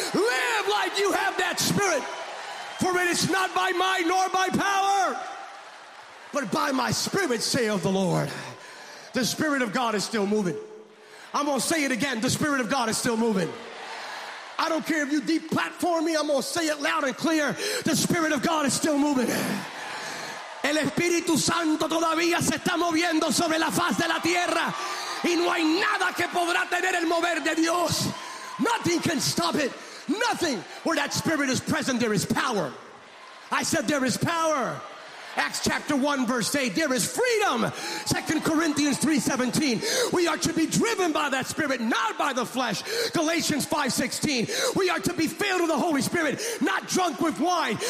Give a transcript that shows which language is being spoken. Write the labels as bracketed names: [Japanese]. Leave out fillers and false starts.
[English] Live like you have that spirit. For it is not by might nor by power, but by my spirit, saith the Lord. The spirit of God is still moving. I'm going to say it again. The spirit of God is still moving. I don't care if you deplatform me. I'm going to say it loud and clear. The spirit of God is still moving. [Spanish] El Espíritu Santo todavía se está moviendo sobre la faz de la tierra. Y no hay nada que podrá tener el mover de Dios. [English] Nothing can stop it. Nothing. Where that spirit is present, there is power. I said there is power. Acts chapter 1 verse 8, there is freedom. 2 Corinthians 3:17, we are to be driven by that spirit, not by the flesh. Galatians 5:16, we are to be filled with the Holy Spirit, not drunk with wine.